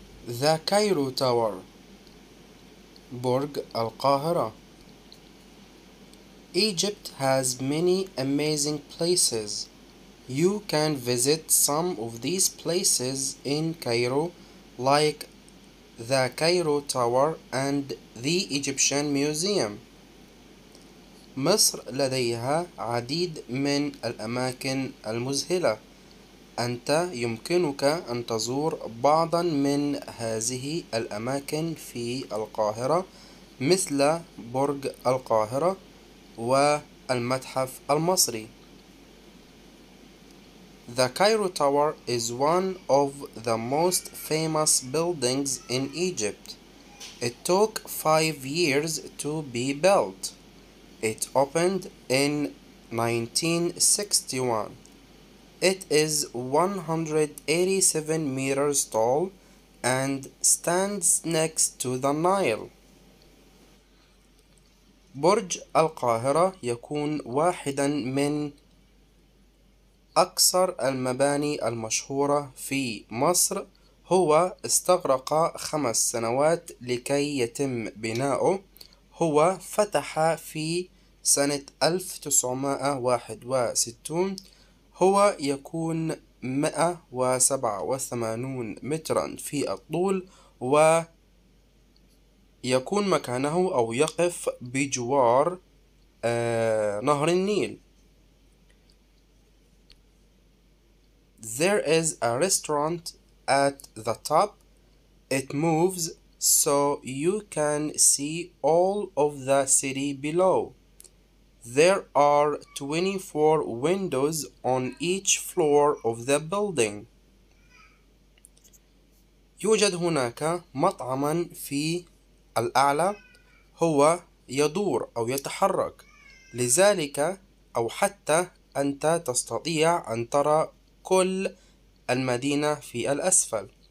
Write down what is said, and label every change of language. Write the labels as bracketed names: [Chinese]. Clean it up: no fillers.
[English] the Cairo tower, [Arabic] برج القاهرة. [English] Egypt has many amazing places. You can visit some of these places in Cairo, like the Cairo Tower and the Egyptian Museum. [Arabic] مصر لديها عديد من الأماكن المذهلة. أنت يمكنك أن تزور بعضا من هذه الأماكن في القاهرة، مثل برج القاهرة والمتحف المصري. [English] The Cairo Tower is one of the most famous buildings in Egypt. It took 5 years to be built. It opened in 1961. It is 187 meters tall and stands next to the Nile. [Arabic] برج القاهرة يكون واحدا من أكثر المباني المشهورة في مصر. هو استغرق 5 سنوات لكي يتم بناؤه. هو فتح في سنة 1961. هو يكون 187 مترا في الطول، و يكون مكانه أو يقف بجوار نهر النيل. [English] There is a restaurant at the top. It moves so you can see all of the city below. There are 24 windows on each floor of the building. [Arabic] يوجد هناك مطعم في الأعلى. هو يدور أو يتحرك، لذلك أو حتى أنت تستطيع أن ترى كل المدينة في الأسفل.